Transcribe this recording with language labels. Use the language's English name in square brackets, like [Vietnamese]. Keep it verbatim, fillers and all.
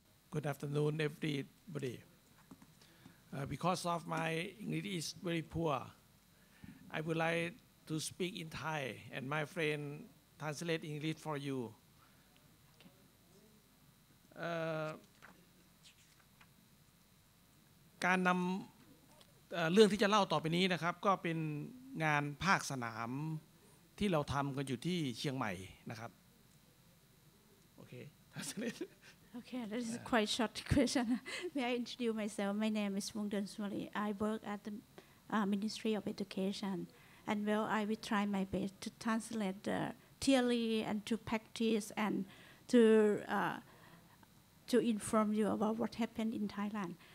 [English] good afternoon, everybody. Uh, because of my English is very poor, I would like to speak in Thai, and my friend translate English for you. [Thai] Uh, การนำเอ่อเรื่องที่จะเล่าต่อไปนี้นะครับก็เป็นงานภาคสนามที่เราทำกันอยู่ที่เชียงใหม่นะครับโอเค [English] Okay, that is a quite short question. May I introduce myself? My name is Wongdon Sumali. I work at the uh, Ministry of Education, and well, I will try my best to translate the theory and to practice and to uh, to inform you about what happened in Thailand.